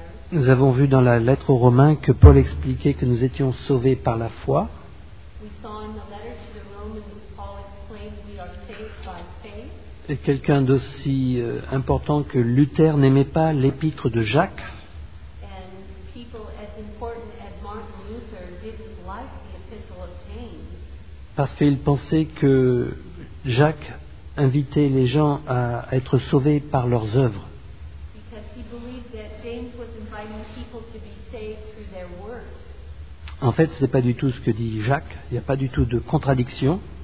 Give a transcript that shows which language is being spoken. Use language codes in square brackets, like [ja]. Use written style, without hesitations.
[fr] Nous avons vu dans la lettre aux Romains que Paul expliquait que nous étions sauvés par la foi. [en] We saw in the letter to the Romans, Paul explained we are saved by faith. [fr] quelqu'un d'aussi important que Luther n'aimait pas l'épître de Jacques. [en] And people as important as Martin Luther didn't like the epistle of James. [fr] Parce qu'il pensait que Jacques invitait les gens à être sauvés par leurs œuvres. [en] Because he believed that James was inviting people to be saved through their works. [fr] En fait, ce n'est pas du tout ce que dit Jacques. Il n'y a pas du tout de contradiction.